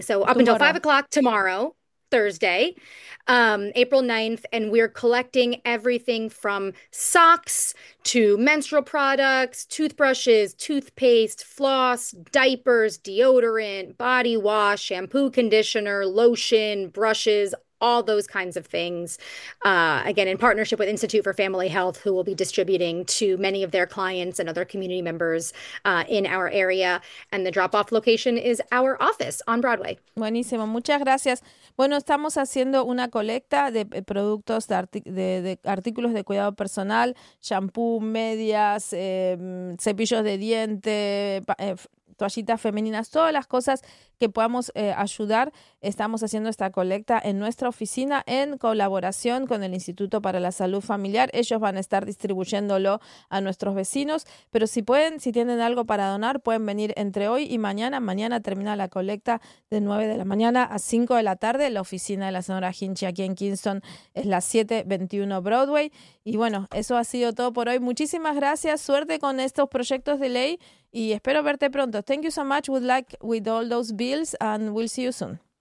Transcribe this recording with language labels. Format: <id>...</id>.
<en>So up until 5 o'clock tomorrow, Thursday, April 9th, and we're collecting everything from socks to menstrual products, toothbrushes, toothpaste, floss, diapers, deodorant, body wash, shampoo, conditioner, lotion, brushes, all those kinds of things. Again, in partnership with Institute for Family Health, who will be distributing to many of their clients and other community members in our area. And the drop-off location is our office on Broadway.</en> <es>Buenísimo, muchas gracias. Bueno, estamos haciendo una colecta de productos de artículos de cuidado personal, shampoo, medias, cepillos de diente, toallitas femeninas, todas las cosas que podamos ayudar. Estamos haciendo esta colecta en nuestra oficina en colaboración con el Instituto para la Salud Familiar. Ellos van a estar distribuyéndolo a nuestros vecinos. Pero si pueden, si tienen algo para donar, pueden venir entre hoy y mañana. Mañana termina la colecta de 9 de la mañana a 5 de la tarde. La oficina de la señora Hinchy aquí en Kingston es la 721 Broadway. Y bueno, eso ha sido todo por hoy. Muchísimas gracias. Suerte con estos proyectos de ley. Y espero verte pronto.</es> <en>Thank you so much. Good luck with all those bills and we'll see you soon.</en>